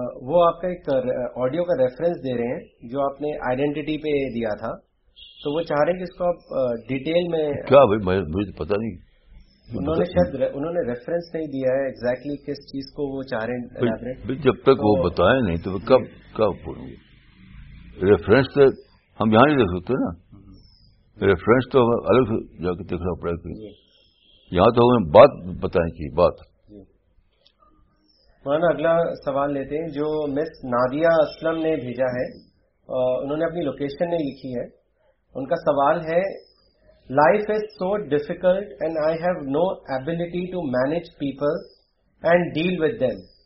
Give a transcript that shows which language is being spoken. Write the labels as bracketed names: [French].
[Urdu] وہ آپ کا ایک آڈیو کا ریفرنس دے رہے ہیں جو آپ نے آئیڈینٹیٹی پہ دیا تھا, تو وہ چاہ رہے ہیں کہ اس کو آپ ڈیٹیل میں. کیا بھائی, مجھے پتا نہیں. انہوں نے ریفرنس نہیں دیا ہے ایگزیکٹلی کس چیز کو وہ چاہ رہے ہیں. جب تک وہ بتائیں نہیں تو کب کب بولوں گی. ریفرنس تو ہم یہاں نہیں دے سکتے نا. ریفرنس تو الگ سے جا کے دیکھنا پڑے گا. یہاں تو ہمیں بات بتائیں کہ بات. مولانا اگلا سوال لیتے ہیں جو مس نادیا اسلم نے بھیجا ہے. انہوں نے اپنی لوکیشن نہیں لکھی ہے. ان کا سوال ہے, [English] Life is so difficult and I have no ability to manage people and deal with them.